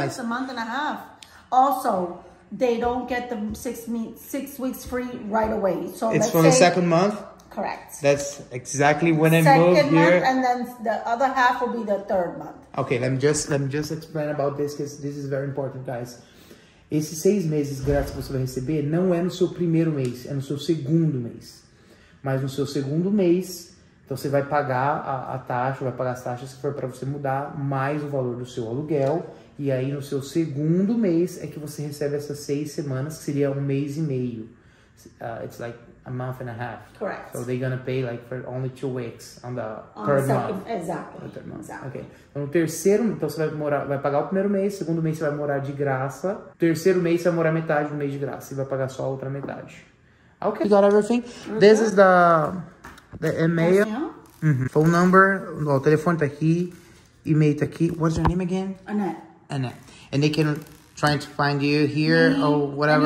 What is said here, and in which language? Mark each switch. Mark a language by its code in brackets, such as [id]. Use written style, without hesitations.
[en] Yeah, it's a month and a half. Also... They don't get the six weeks free right away. So it's for the second month? Correct. That's exactly when I moved here. Second month, and then the other half will be the third month. Okay, let me just explain about this because this is very important, guys. [pt] Esses 6 meses grátis que você vai receber não é no seu primeiro mês, é no seu segundo mês. Mas no seu segundo mês, então você vai pagar a taxa, vai pagar as taxas se for para você mudar, mais o valor do seu aluguel. E aí, no seu segundo mês, é que você recebe essas 6 semanas, que seria 1 mês e meio. [en] It's like a month and a half. Correct. So, they're gonna pay like for only 2 weeks on the third month. Okay. [pt] Então, no terceiro, então você vai pagar o primeiro mês, segundo mês você vai morar de graça. Terceiro mês você vai morar metade do mês de graça, e vai pagar só a outra metade. Okay. [en] You got everything? Okay. This is the email. Yeah. Mm-hmm. Phone number, [pt] o telefone tá aqui, e-mail tá aqui. [en] What's your name again? Annette. Annette. And they can try to find you here or whatever.